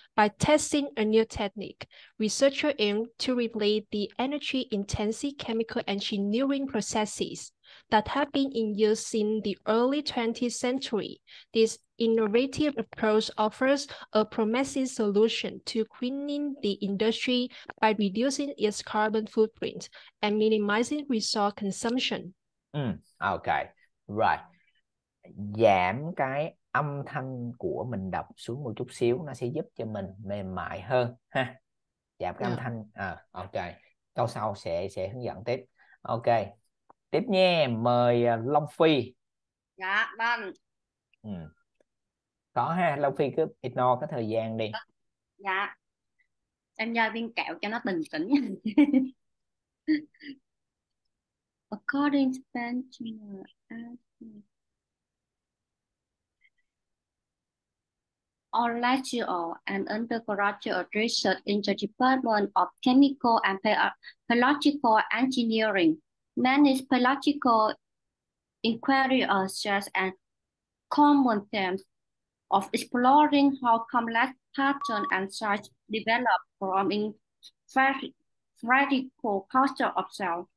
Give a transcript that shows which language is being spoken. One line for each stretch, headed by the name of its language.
English: By testing a new technique, researchers aim to replace the energy-intensive chemical engineering processes that have been in use since the early 20th century. This innovative approach offers a promising solution to greening the industry by reducing its carbon footprint and minimizing resource consumption. Okay, right.
Vietnamese: Giảm cái âm thanh của mình đọc xuống một chút xíu, nó sẽ giúp cho mình mềm mại hơn ha. Giảm cái âm thanh. Ok, câu sau sẽ hướng dẫn tiếp. Ok, tiếp nha, mời Long Phi. Dạ vâng. Có ha, Long Phi cứ ignore cái thời gian đi. Dạ, em nhờ viên kẹo cho nó bình tĩnh.
English: According to Benjamin, our lecturer and undergraduate research in the Department of Chemical and Biological Engineering manage biological inquiries such as common themes of exploring how complex patterns and sites develop from radical cultures of cells.